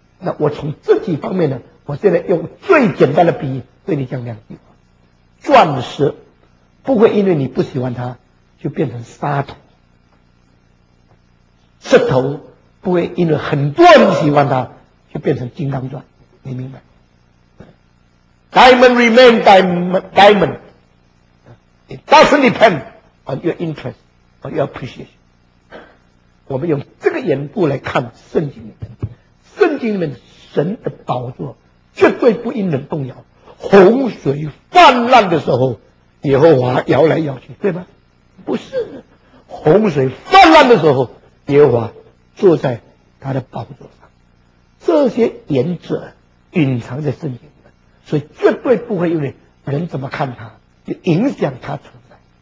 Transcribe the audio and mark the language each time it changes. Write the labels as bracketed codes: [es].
[zh] 那我从这几方面呢，我现在用最简单的比喻对你讲两句话：钻石不会因为你不喜欢它就变成沙土，石头不会因为很多人喜欢它就变成金刚钻，你明白？ [en] Diamond remain diamond， it doesn't depend on your interest or your appreciation。 [zh] 我们用这个眼部来看圣经里面，圣经里面神的宝座绝对不因人动摇，洪水泛滥的时候耶和华摇来摇去，对吧？不是，洪水泛滥的时候耶和华坐在他的宝座上，这些原则隐藏在圣经里面，所以绝对不会因为人怎么看他就影响他存在。